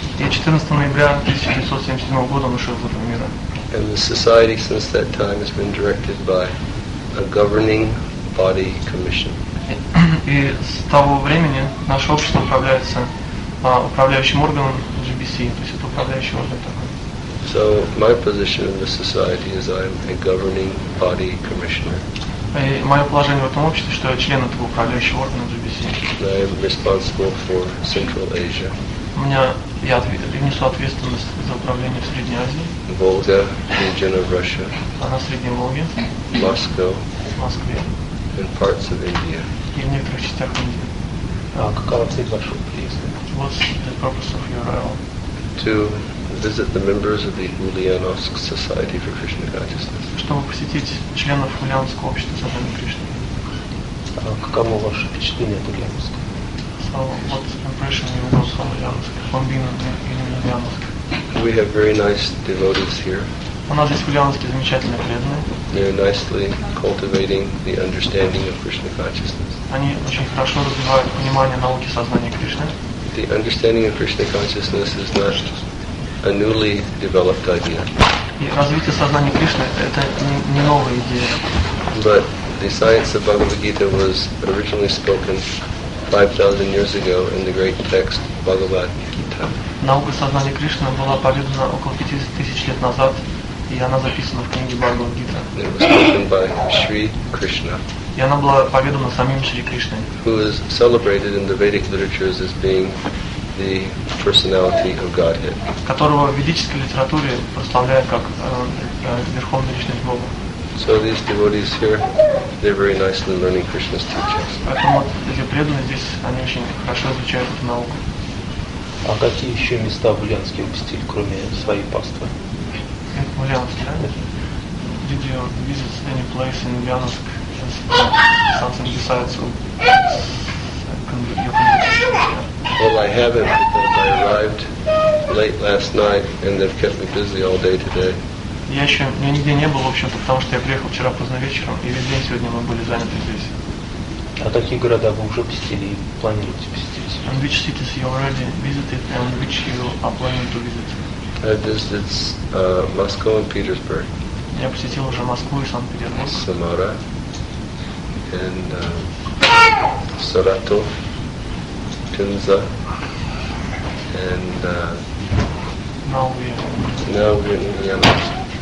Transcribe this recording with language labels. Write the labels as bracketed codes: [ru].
[ru] И 14 ноября 1977 года он ушел из этого мира. [en] And the society since that time has been directed by a governing body commission. [ru] И с того времени наше общество управляется управляющим органом GBC, то есть это управляющий орган такой. [en] So my position in the society is I'm a governing body commissioner. [ru] И мое положение в этом обществе, что я член этого управляющего органа GBC. [en] I am responsible for Central Asia. [ru] Я внесу ответственность за управление в Средней Азии. [en] Волга, region of Russia. [ru] На Средней Волге. [en] Moscow. [ru] Москве. [en] And parts of India. [ru] И в некоторых частях Индии. Какова цель вашего приезда? [en] What's the purpose of your arrival? To visit the members of the Ulyanovsk Society for Krishna Consciousness. [ru] Чтобы посетить членов Ульяновского общества сознания Кришны. Каково ваше впечатление от Ульяновска? [en] We have very nice devotees here. [ru] У нас здесь в Ульяновске замечательные преданные. [en] They are nicely cultivating the understanding of Krishna consciousness. [ru] Они очень хорошо развивают понимание науки сознания Кришны. [en] The understanding of Krishna consciousness is not a newly developed idea. [ru] И развитие сознания Кришны — это не новая идея. [en] But the science of Bhagavad Gita was originally spoken 5,000 years ago in the great text Bhagavad Gita. [ru] Наука сознания Кришны была поведана около 5000 лет назад, и она записана в книге Бхагавад Гита. [en] It was spoken by Sri Krishna. [ru] И она была поведана самим Шри Кришной. [en] Who is celebrated in the Vedic literatures as being the personality of Godhead. [ru] Которого в ведической литературе прославляют как верховную личность Бога. [en] So these devotees here, they're very nicely learning Krishna's teachings. [ru] Поэтому эти преданные здесь, они очень хорошо изучают эту науку. А какие еще места в Ульяновске посетили, кроме своей паствы? В Ульяновске, да? [en] Did you visit any place in Ulyanovsk? Something besides Well, I haven't, because I arrived late last night and they've kept me busy all day today. [ru] Я еще я нигде не был, в общем-то, потому что я приехал вчера поздно вечером, и весь день сегодня мы были заняты здесь. А какие города вы уже посетили и планируете посетить? [en] And which cities you already visited and which you are planning to visit? I visited Moscow and Petersburg. [ru] Я посетил уже Москву и Санкт-Петербург. [en] Самара. And Саратов. Пенза. And Now we're in Ульяновск.